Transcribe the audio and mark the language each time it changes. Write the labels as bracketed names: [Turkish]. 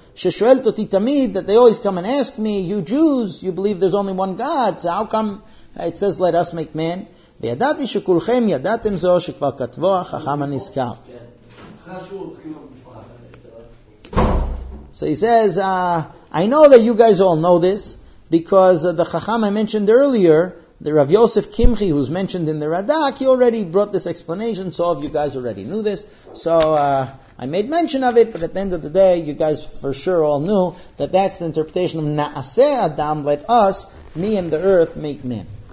[English] That they always come and ask me, you Jews, you believe there's only one God, so how come It says, let us make man. [Hebrew] וידעתי שכולכם ידעתם זו שכבר כתבו החכם הנזכר. [English] So he says, I know that you guys all know this, because the Chacham I mentioned earlier, the Rav Yosef Kimchi, who's mentioned in the Radak, he already brought this explanation, so of you guys already knew this. So I made mention of it, but at the end of the day, you guys for sure all knew that that's the interpretation of Na'aseh Adam, let us, me and the earth, make men.